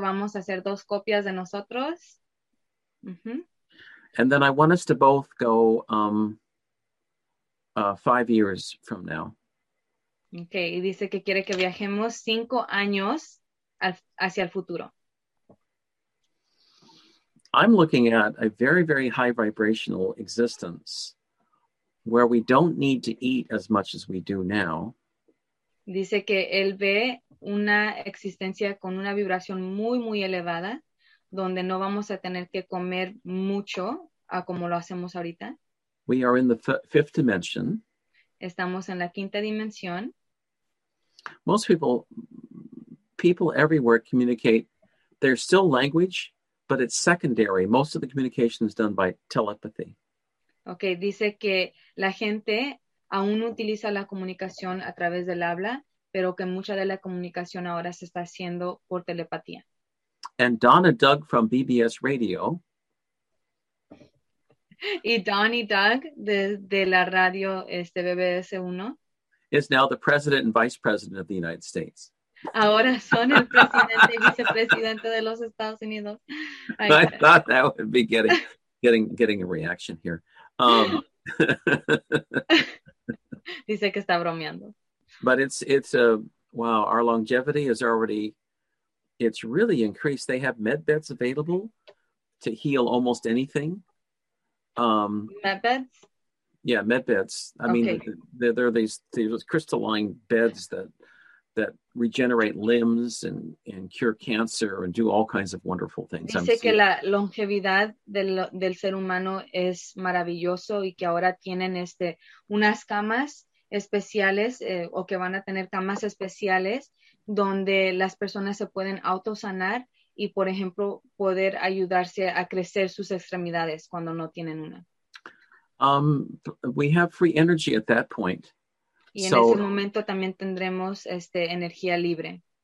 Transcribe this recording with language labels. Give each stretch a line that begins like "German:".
Spanish: Vamos a hacer 2 copias de nosotros.
English: And then I want us to both go 5 years from now.
Spanish: Okay, y dice que quiere que viajemos 5 años hacia el futuro.
English: I'm looking at a very, very high vibrational existence where we don't need to eat as much as we do now.
Spanish: Dice que él ve una existencia con una vibración muy, muy elevada donde no vamos a tener que comer mucho. A como lo hacemos ahorita.
English: We are in the fifth dimension.
Spanish: Estamos en la quinta dimensión.
English: Most people everywhere communicate. There's still language, but it's secondary. Most of the communication is done by telepathy.
Spanish: Okay, dice que la gente aún utiliza la comunicación a través del habla, pero que mucha de la comunicación ahora se está haciendo por telepatía.
English: And Donna Doug from BBS Radio.
Spanish: Y Donnie Doug de la radio BBS 1
English: is now the president and vice president of the United States.
Spanish: Ahora son el presidente y vicepresidente de los Estados Unidos.
English: I thought that would be getting a reaction here.
Spanish: Dice que está bromeando.
English: But it's a Wow, our longevity is already, it's really increased. They have med beds available to heal almost anything. Med beds? Yeah, med beds. I mean, they're these crystalline beds that regenerate limbs and cure cancer and do all kinds of wonderful things.
Spanish: Dice que la longevidad del ser humano es maravilloso y que ahora tienen unas camas especiales o que van a tener camas especiales donde las personas se pueden autosanar y, por ejemplo, poder ayudarse a crecer sus extremidades cuando no tienen una.
English: We have free energy at that point.
Spanish: Y en ese momento también tendremos energía libre.